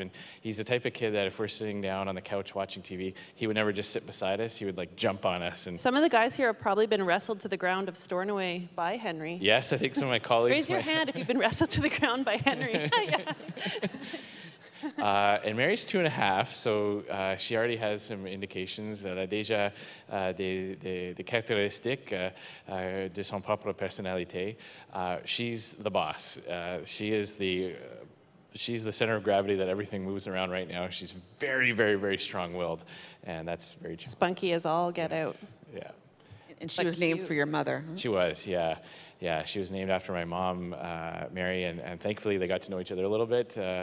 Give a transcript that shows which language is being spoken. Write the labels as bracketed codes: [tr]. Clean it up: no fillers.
[en] And he's the type of kid that if we're sitting down on the couch watching TV, he would never just sit beside us. He would like jump on us. And some of the guys here have probably been wrestled to the ground of Stornoway by Henry. Yes, I think some of my colleagues. Raise your hand if you've been wrestled to the ground by Henry. And Mary's 2.5, so she already has some indications. [fr] Elle a déjà des caractéristiques de son propre personnalité. [en] She's the boss. She's the center of gravity that everything moves around right now. She's very, very, very strong-willed, and that's very spunky as all get out. Yeah. And she was cute. Named for your mother. Huh? She was, yeah. Yeah, she was named after my mom, Mary, and thankfully they got to know each other a little bit.